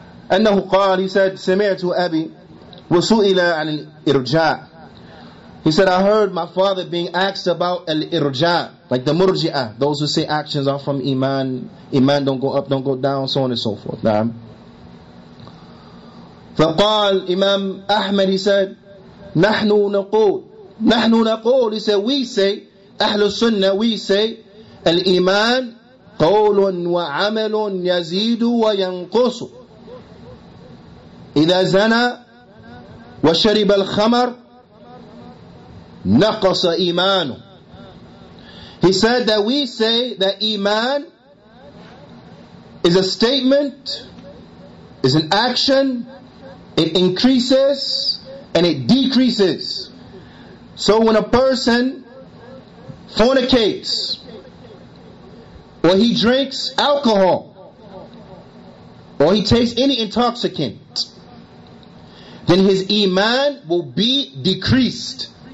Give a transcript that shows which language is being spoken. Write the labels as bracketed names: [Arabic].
[Arabic] أنه قال, [English] he said, [Arabic] سمعت أبي وسئل عن الإرجاء. [English] He said, I heard my father being asked about الإرجاء, like the مرجئة, those who say actions are from iman, iman don't go up, don't go down, so on and so forth. نعم. [Arabic] فقال [English] Imam Ahmed, he said, [Arabic] نحن نقول, [English] he said, we say, [Arabic] أهل السنة, [English] we say, [Arabic] الإيمان قول وعمل يزيد وينقص. إذا زنى وشرب الخمر نقص إيمانه. [English] He said that we say that iman is a statement, is an action, it increases and it decreases. So when a person fornicates or he drinks alcohol or he takes any intoxicant, then his iman will be decreased.